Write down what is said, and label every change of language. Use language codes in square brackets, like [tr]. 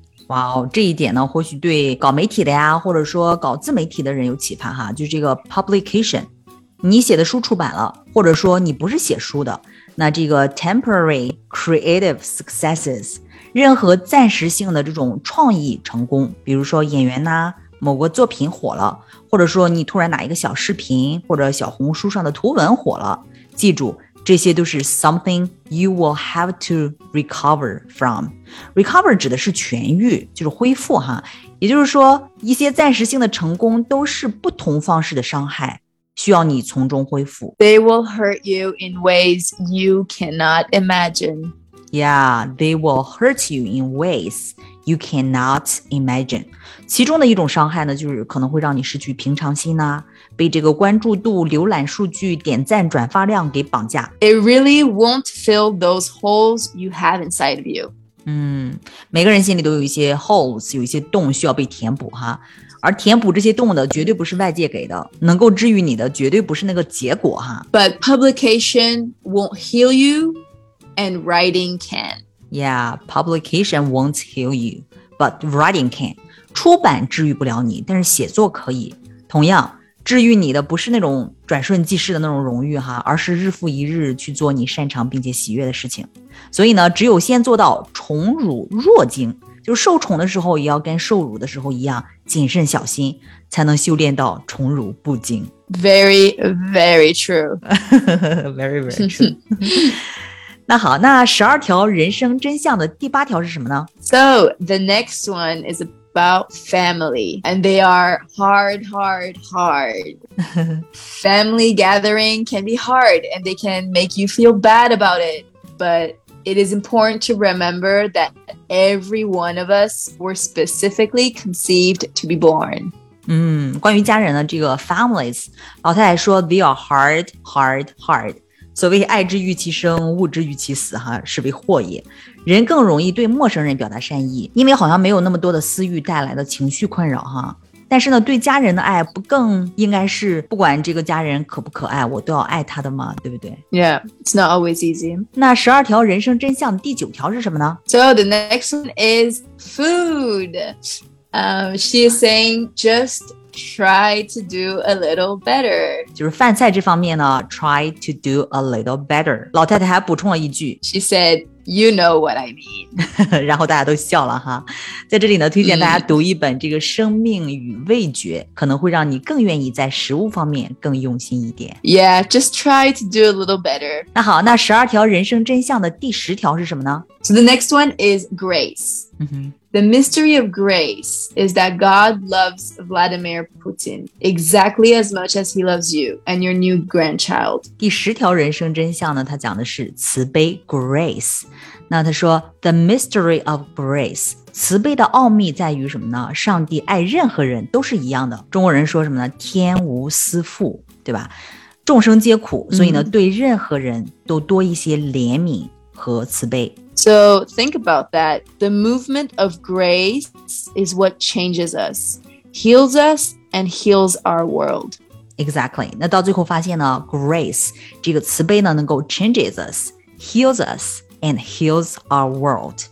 [zh] Wow, 这一点呢或许对搞媒体的呀或者说搞自媒体的人有启发哈就是这个 publication 你写的书出版了或者说你不是写书的那这个 [en] temporary creative successes [zh] 任何暂时性的这种创意成功比如说演员啊某个作品火了，或者说你突然哪一个小视频或者小红书上的图文火了，记住这些都是 [en] something you will have to recover from. [zh] Recover 指的是痊愈，就是恢复哈。也就是说一些暂时性的成功都是不同方式的伤害，需要你从中恢复。 [en] They will hurt you in ways you cannot imagine. Yeah, they will hurt you in ways you cannot imagine. [zh] 其中的一种伤害呢，就是可能会让你失去平常心啊，被这个关注度、浏览数据、点赞、转发量给绑架。 [en] It really won't fill those holes you have inside of you. [zh] 每个人心里都有一些 holes, 有一些洞需要被填补哈。而填补这些洞的绝对不是外界给的，能够治愈你的绝对不是那个结果哈。 [en] But publication won't heal you, and writing can. Yeah, publication won't heal you, but writing can. [zh] 出版治愈不了你，但是写作可以。同样，治愈你的不是那种转瞬即逝的那种荣誉哈，而是日复一日去做你擅长并且喜悦的事情。所以呢，只有先做到宠辱若惊，就受宠的时候也要跟受辱的时候一样谨慎小心，才能修炼到宠辱不惊。 [en] Very, very true. Very, very true. [zh] 那好，那十二条人生真相的第八条是什么呢？ [en] So, the next one is about family. And they are hard, hard, hard. Family gathering can be hard, and they can make you feel bad about it. But it is important to remember that every one of us were specifically conceived to be born. [zh] 关于家人的这个 families, 老太太说 [en] they are hard, hard, hard. [zh] 所谓爱之欲其生，恶之欲其死，哈，是为祸也。人更容易对陌生人表达善意，因为好像没有那么多的私欲带来的情绪困扰，哈。但是呢，对家人的爱不更应该是不管这个家人可不可爱，我都要爱他的吗？对不对？ [en] Yeah, it's not always easy. [zh] 那十二条人生真相第九条是什么呢？ [en] So the next one is food. She is saying just try to do a little better. [zh] 就是饭菜这方面呢， [en] try to do a little better. [zh] 老太太还补充了一句， [en] She said,You know what I mean. [zh] 然后大家都笑了哈。在这里呢，推荐大家读一本这个《生命与味觉》，可能会让你更愿意在食物方面更用心一点。 [en] Yeah, just try to do a little better. [zh] 那好，那十二条人生真相的第十条是什么呢？ [en] So the next one is grace. The mystery of grace is that God loves Vladimir Putin exactly as much as he loves you and your new grandchild. [zh] 第十条人生真相呢，他讲的是慈悲 grace。那他说 [en] the mystery of grace， [zh] 慈悲的奥秘在于什么呢？上帝爱任何人都是一样的。中国人说什么呢？天无私父，对吧？众生皆苦，所以呢，对任何人都多一些怜悯和慈悲。 [en] So think about that. The movement of grace is what changes us, heals us, and heals our world. Exactly. [zh] 那到最后发现呢 ,grace, 这个慈悲呢能够 [en] changes us, heals us, and heals our world.